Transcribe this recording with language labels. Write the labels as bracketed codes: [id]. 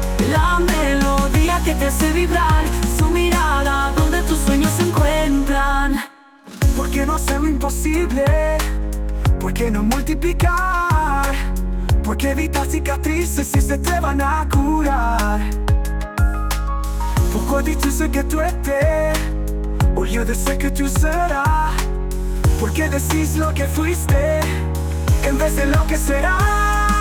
[es] La melodía que te hace vibrar, donde tus sueños se encuentran. ¿Por qué no hacer lo imposible? ¿Por qué no multiplicar? ¿Por qué evitar cicatrices si se te van a curar? [fr] Pourquoi dis-tu ce que tu étais au lieu de ce que tu seras? [es] ¿Por qué decís lo que fuiste en vez de lo que serás?